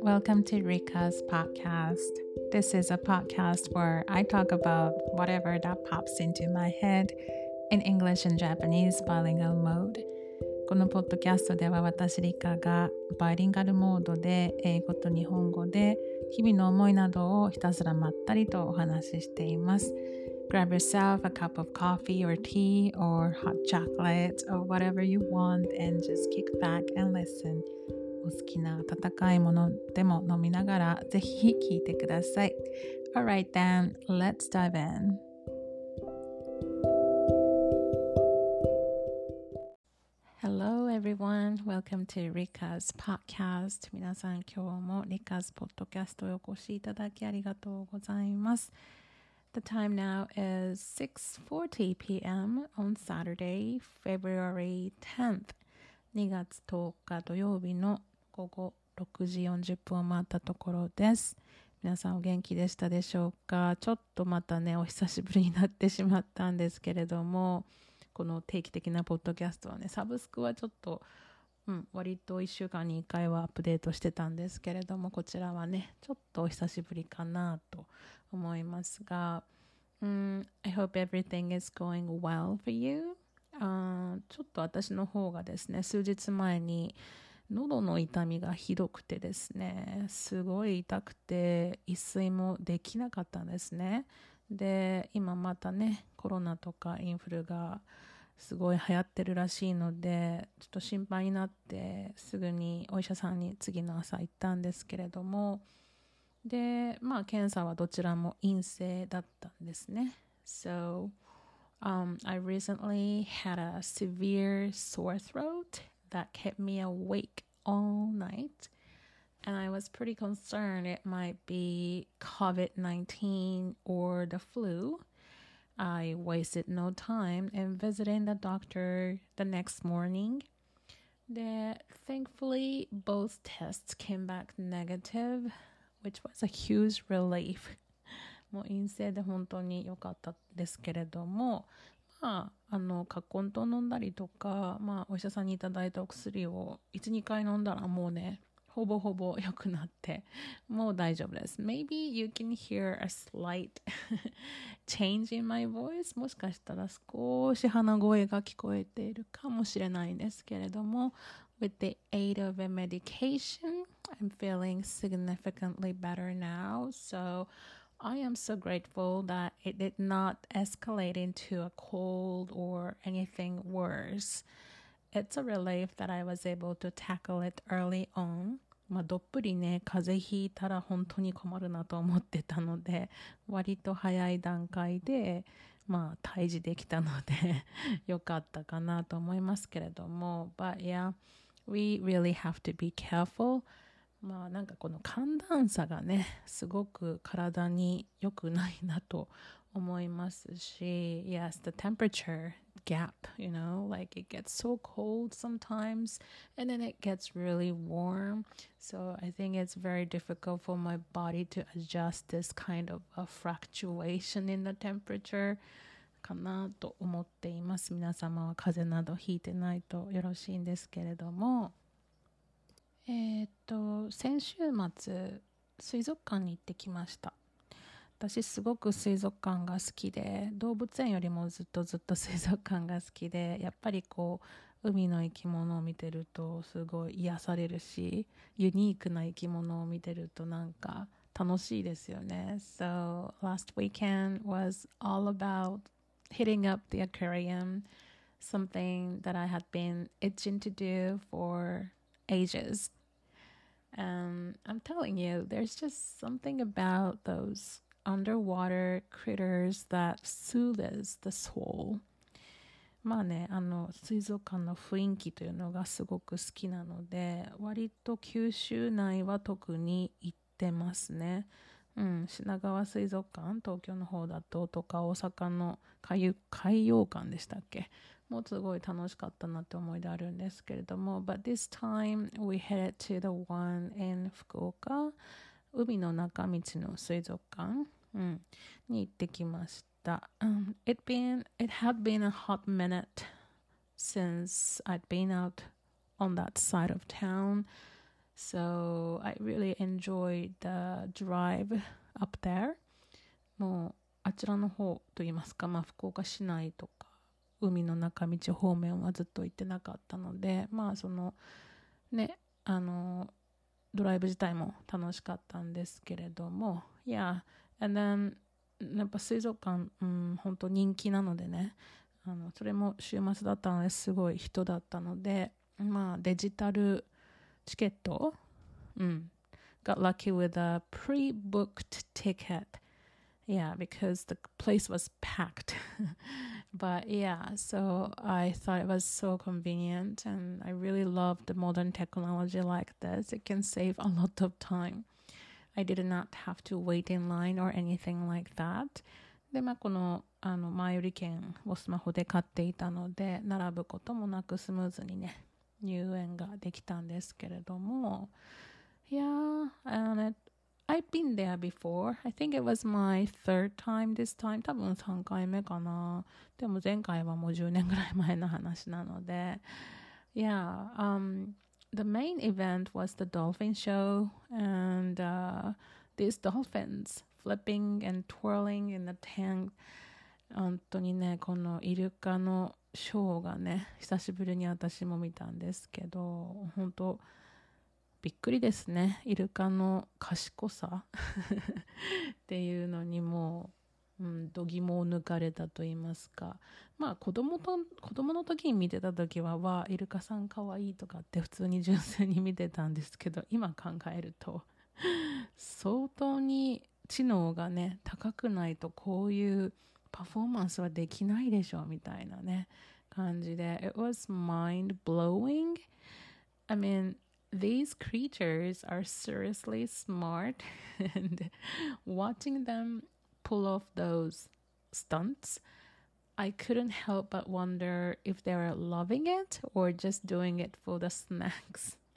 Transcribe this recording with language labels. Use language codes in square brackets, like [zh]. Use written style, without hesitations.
[en] Welcome to Rika's podcast. This is a podcast where I talk about whatever that pops into my head in English and Japanese bilingual mode. [ja] このポッドキャストでは私リカがバイリンガルモードで英語と日本語で日々の思いなどをひたすらまったりとお話ししています。 [en] Grab yourself a cup of coffee or tea or hot chocolate or whatever you want and just kick back and listen. [ja] お好きな温かいものでも飲みながらぜひ聞いてください。 [en] Alright then, let's dive in. Hello everyone, welcome to Rika's podcast. [ja] 皆さん今日も Rika's podcast へお越しいただきありがとうございます。 [en] The time now is 6:40 p.m. on Saturday, February 10th. [ja] 2月10日土曜日の午後6時40分を回ったところです。皆さんお元気でしたでしょうか？ちょっとまたね、お久しぶりになってしまったんですけれども、この定期的なポッドキャストはね、サブスクはちょっと、割と1週間に1回はアップデートしてたんですけれども、こちらはねちょっとお久しぶりかなと思いますが、 [en] I hope everything is going well for you. [ja] ちょっと私の方がですね、数日前に喉の痛みがひどくてですね、すごい痛くて一睡もできなかったんですね。で今またねコロナとかインフルがすごい流行ってるらしいので、ちょっと心配になってすぐにお医者さんに次の朝行ったんですけれども、でまあ検査はどちらも陰性だったんですね。 [en] So、I recently had a severe sore throat that kept me awake all night and I was pretty concerned it might be COVID-19 or the fluI wasted no time in visiting the doctor the next morning. Thankfully, both tests came back negative, which was a huge relief. [ja] もう陰性で本当に良かったですけれども、まあ、カッコン糖飲んだりとか、まあ、お医者さんにいただいたお薬を 1,2 回飲んだらもうね、ほぼほぼ良くなってもう大丈夫です。 [en] Maybe you can hear a slight change in my voice. [ja] もしかしたら少し鼻声が聞こえているかもしれないんですけれども、 [en] With the aid of a medication, I'm feeling significantly better now. So I am so grateful that it did not escalate into a cold or anything worse. It's a relief that I was able to tackle it early on. [ja] まあどっぷりね、風邪ひいたら本当に困るなと思ってたので、割と早い段階でまあ退治できたのでよかったかなと思いますけれども、 [en] But yeah, we really have to be careful. [ja] まあなんかこの寒暖差がねすごく体に良くないなと思いますし、 [en] Yes, the temperature gap, you know, like it gets so cold sometimes and then it gets really warm. So I think it's very difficult for my body to adjust this kind of a fluctuation in the temperature [ja] かなと思っています。皆様は風邪などひいてないとよろしいんですけれども、先週末水族館に行ってきました。私すごく水族館が好きで、動物園よりもずっとずっと水族館が好きで、やっぱりこう海の生き物を見てるとすごい癒されるし、ユニークな生き物を見てるとなんか楽しいですよね。 [en] So last weekend was all about hitting up the aquarium, something that I had been itching to do for ages. I'm telling you, there's just something about thoseunderwater critters that soothes the soul. [ja] まあね、水族館の雰囲気というのがすごく好きなので、割と九州内は特に行ってますね。品川水族館、東京の方だととか、大阪の海洋館でしたっけ、もうすごい楽しかったなって思い出あるんですけれども、 [en] But this time we headed to the one in [ja] 福岡、海の中道の水族館、に行ってきました。 [en] It had been a hot minute since I'd been out on that side of town. So I really enjoyed the drive up there. [ja] もうあちらの方といいますか、まあ、福岡市内とか海の中道方面はずっと行ってなかったので、まあそのね、あのドライブ自体も楽しかったんですけれども、 [en] Yeah, and then [ja] やっぱ水族館、うん、本当人気なのでね、あのそれも週末だったのですごい人だったので、まあデジタルチケット、 [en] うん、got lucky with a pre-booked ticket. Yeah, because the place was packed. But yeah, so I thought it was so convenient and I really love the modern technology like this. It can save a lot of time. I did not have to wait in line or anything like that. [ja] で、まあ、この、あの、前売り券をスマホで買っていたので、並ぶこともなくスムーズにね、入園ができたんですけれども、 [en] Yeah, and I've been there before. I think it was my third time this time. [ja] 多分3回目かな。でも前回はもう10年ぐらい前の話なので。 [en] Yeah, the main event was the dolphin show. And these dolphins flipping and twirling in the tank. [ja] 本当にね、このイルカのショーがね、久しぶりに私も見たんですけど、本当びっくりですね。イルカの賢さっていうのにも、うん、度肝を抜かれたと言いますか。まあ子供の時に見てた時は、わあイルカさんかわいいとかって普通に純粋に見てたんですけど、今考えると相当に知能がね高くないとこういうパフォーマンスはできないでしょうみたいなね感じで、 [en] It was mind blowing. I meanThese creatures are seriously smart and watching them pull off those stunts, I couldn't help but wonder if they were loving it or just doing it for the snacks.